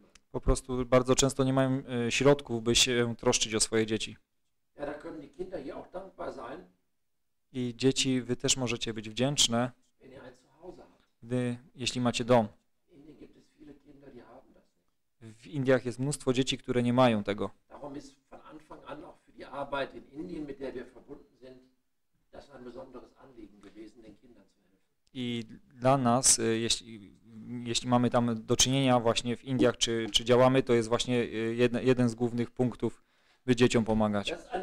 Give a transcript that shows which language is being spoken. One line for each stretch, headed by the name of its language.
Polish: po prostu bardzo często nie mają środków, by się troszczyć o swoje dzieci.
German: Ja, da können die Kinder hier auch dankbar sein.
Polish: I dzieci, wy też możecie być wdzięczne,
German: wenn ihr ein Zuhause habt.
Polish: Gdy, jeśli macie dom.
German: In Indien gibt es viele Kinder, die haben das.
Polish: W Indiach jest mnóstwo dzieci, które nie mają tego.
German: Darum ist von Anfang an auch für die Arbeit in Indien, mit der wir verbunden sind, das ein besonderes Anliegen gewesen, den Kindern zu helfen.
Polish: I dla nas, jeśli mamy tam do czynienia właśnie w Indiach, czy działamy, to jest właśnie jeden z głównych punktów, by dzieciom pomagać.